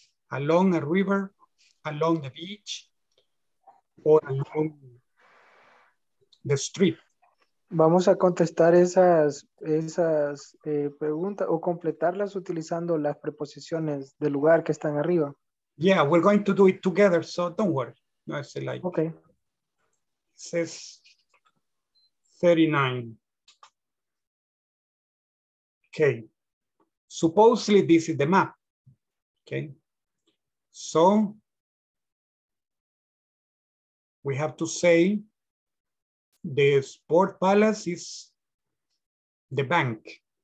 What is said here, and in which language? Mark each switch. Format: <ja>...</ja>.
<en>Along a river, along the beach, o along the street.</en> <es>Vamos a contestar esas preguntas o completarlas utilizando las preposiciones del lugar que están arriba.</es> <en>Yeah, we're going to do it together, so don't worry. No, it's like, okay. It says... 39. Okay. Supposedly this is the map. Okay. So we have to say the Sport Palace is the bank.</en>